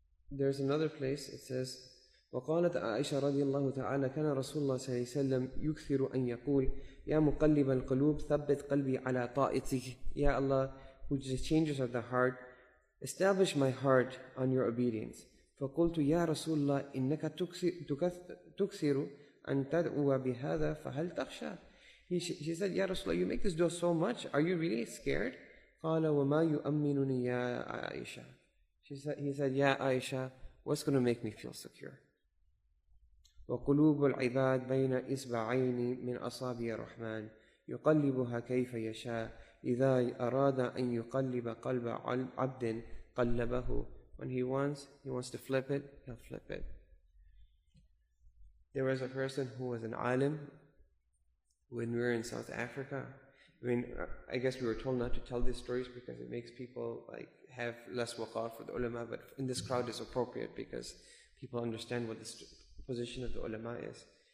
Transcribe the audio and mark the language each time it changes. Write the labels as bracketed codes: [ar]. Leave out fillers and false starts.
[en] There's another place, it says, [ar] وقالت عائشة رضي الله تعالى كان رسول الله صلى الله عليه وسلم يكثر أن يقول يا مقلب القلوب ثبت قلبي على طائتك. [en] Ya Allah, who is the changes of the heart, establish my heart on your obedience. [ar] فقلت يا رسول الله إنك تكثر أن تدعو بهذا فهل تخشى. [en] She said, Ya Rasulullah, you make this dua so much, are you really scared? [ar] قال وما يؤمنني يا عائشة. [en] He said, Ya Aisha, what's going to make me feel secure? [ar] وقلوب العباد بين إصبعين من أصابع الرحمن يقلبها كيف يشاء إذا أراد أن يقلب قلب عبد قلبه. [en] When he wants to flip it, he'll flip it. There was a person who was an alim when we were in South Africa. I guess we were told not to tell these stories because it makes people like have less waqar for the ulama, but in this crowd it's appropriate because people understand what the position of the ulama is.